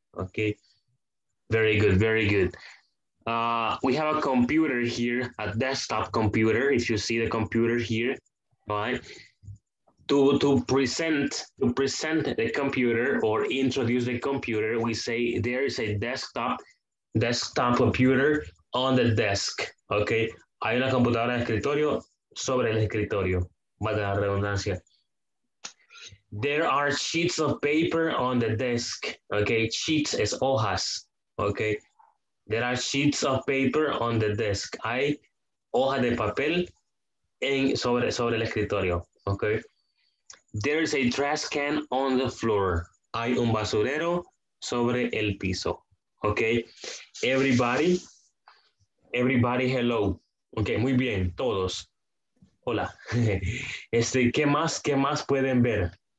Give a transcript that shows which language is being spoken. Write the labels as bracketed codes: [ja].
[en] Okay, very good, very good. We have a computer here, a desktop computer. If you see the computer here, right? To present the computer or introduce the computer, we say there is a desktop computer on the desk. Okay. [es] Hay una computadora de escritorio sobre el escritorio. Valga la redundancia. [en] There are sheets of paper on the desk. Okay, sheets [es] es hojas. [en] Okay, there are sheets of paper on the desk. [es] Hay hojas de papel en, sobre el escritorio. [en] Okay, there is a trash can on the floor. [es] Hay un basurero sobre el piso. Okay, [en] everybody, hello. [es] Ok, muy bien, todos. Hola. Este, ¿qué más pueden ver?